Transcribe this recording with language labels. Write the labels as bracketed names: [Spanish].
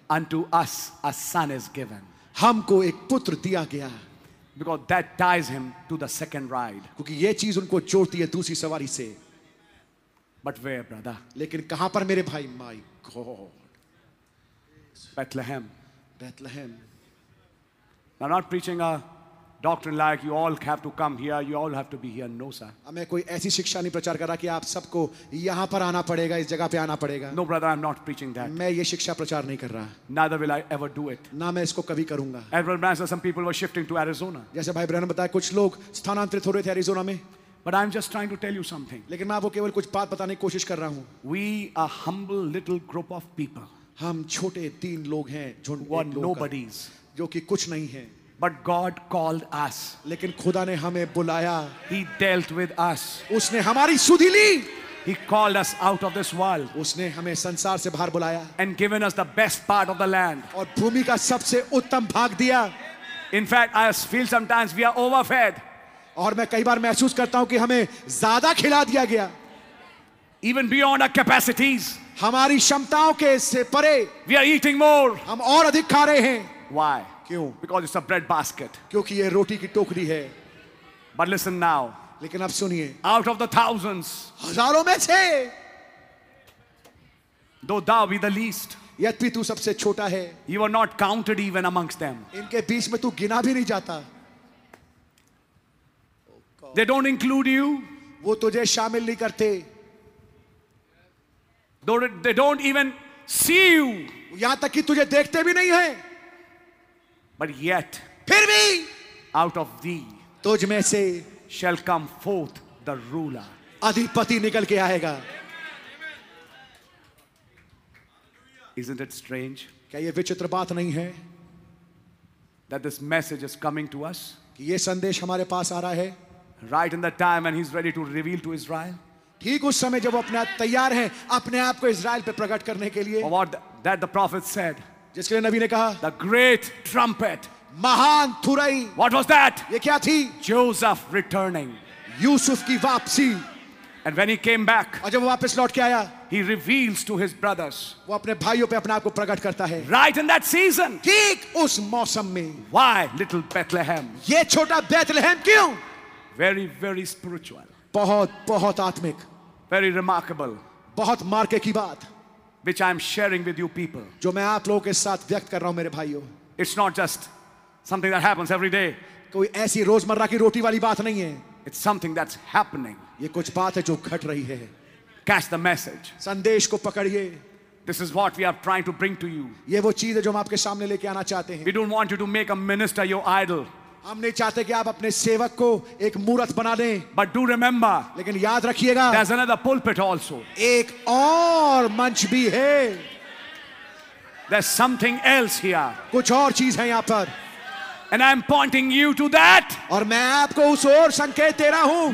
[English] Unto us a son is given. [Hindi] हमको एक पुत्र दिया गया. [English] Because that ties him to the second ride. [Hindi] क्योंकि ये चीज उनको जोड़ती है दूसरी सवारी से. [English] But where, brother? [Hindi] लेकिन कहां पर मेरे भाई? [English] My God. Bethlehem. Bethlehem. Now, not preaching a doctrine like you all have to come here, you all have to be here. No, sir. [Hindi] मैं कोई ऐसी शिक्षा नहीं प्रचार कर रहा कि आप सबको यहां पर आना पड़ेगा, इस जगह पे आना पड़ेगा. [English] No, brother, I'm not preaching that. [Hindi] मैं ये शिक्षा प्रचार नहीं कर रहा. [English] Neither will I ever do it. [Hindi] ना मैं इसको कभी करूंगा. [English] Edward Branson, some people were shifting to Arizona. [Hindi] जैसे भाई ब्रैनम बताया कुछ लोग स्थानांतरित हो रहे थे अरिजोना में. [English] But I'm just trying to tell you something. [Hindi] लेकिन मैं आपको केवल कुछ बात बताने की कोशिश कर रहा हूँ. [English] We are humble little group of people. [Hindi] हम छोटे तीन लोग हैं जो [English] nobodies, [Hindi] जो कि कुछ नहीं है. [English] But God called us. [Hindi] लेकिन खुदा ने हमें बुलाया. [English] He dealt with us. [Hindi] उसने हमारी सुधी ली. [English] He called us out of this world. [Hindi] उसने हमें संसार से बाहर बुलाया. [English] And given us the best part of the land. [Hindi] और भूमि का सबसे उत्तम भाग दिया. [English] In fact, I feel sometimes we are overfed. [Hindi] और मैं कई बार महसूस करता हूं कि हमें ज्यादा खिला दिया गया. [English] Even beyond our capacities. [Hindi] हमारी क्षमताओं के से परे. [English] We are eating more. [Hindi] हम और अधिक खा रहे हैं. [English] Why? [Hindi] क्यों? [English] Because it's a bread basket. [Hindi] क्योंकि ये रोटी की टोकरी है. [English] But listen now. [Hindi] लेकिन अब सुनिए. [English] Out of the thousands. [Hindi] हजारों में से. [English] Though thou be the least. [Hindi] यद्यपि तू सबसे छोटा है. [English] You are not counted even amongst them. [Hindi] इनके बीच में तू गिना भी नहीं जाता. [English] They don't include you. [Hindi] वो तुझे शामिल नहीं करते. [English] They don't even see you. [Hindi] यहां तक कि तुझे देखते भी नहीं है. [English] But yet, [Hindi] फिर भी, [English] out of thee, [Hindi] तुझ में से, [English] shall come forth the ruler. [Hindi] अधिपति निकल के आएगा. [English] Isn't it strange? [Hindi] क्या ये विचित्र बात नहीं है? [English] That this message is coming to us. [Hindi] कि ये संदेश हमारे पास आ रहा है. [English] Right in the time and he's ready to reveal to Israel. [Hindi] ठीक उस समय जब अपने आप तैयार हैं अपने आप को इज़राइल पे प्रकट करने के लिए. [English] What that the prophet said. [Hindi] जिसके लिए नबी ने कहा. [English] The great trumpet. [Hindi] महान तुरई. [English] What was that? [Hindi] ये क्या थी? [English] Joseph returning. [Hindi] यूसुफ की वापसी. [English] And when he came back. [Hindi] और जब वो वापस लौट के आया. [English] He reveals to his brothers. [Hindi] वो अपने भाइयों पे अपने आप को प्रकट करता है. [English] Right in that season. [Hindi] ठीक उस मौसम में. [English] Why little Bethlehem? [Hindi] ये छोटा बेथलेहम क्यों? [English] Very, very spiritual. [Hindi] बहुत बहुत आत्मिक. [English] Very remarkable. [Hindi] बहुत मार्के की बात [English] which I am sharing with you people [Hindi] जो मैं आप लोगों के साथ व्यक्त कर रहा हूं मेरे भाइयों [English] it's not just something that happens every day [Hindi] कोई ऐसी रोजमर्रा की रोटी वाली बात नहीं है [English] it's something that's happening [Hindi] ये कुछ बात है जो घट रही है [English] catch the message [Hindi] संदेश को पकड़िए [English] This is what we are trying to bring to you. [Hindi] ये वो चीज़ है जो हम आपके सामने लेके आना चाहते हैं. [English] We don't want you to make a minister your idol. [Hindi] हम नहीं चाहते कि आप अपने सेवक को एक मूरत बना दें. [English] But do remember. [Hindi] लेकिन याद रखिएगा. [English] There's another pulpit also. [Hindi] एक और मंच भी है. [English] There's something else here. [Hindi] कुछ और चीज़ है यहाँ पर. [English] And I'm pointing you to that. [Hindi] और मैं आपको उस ओर संकेत दे रहा हूँ.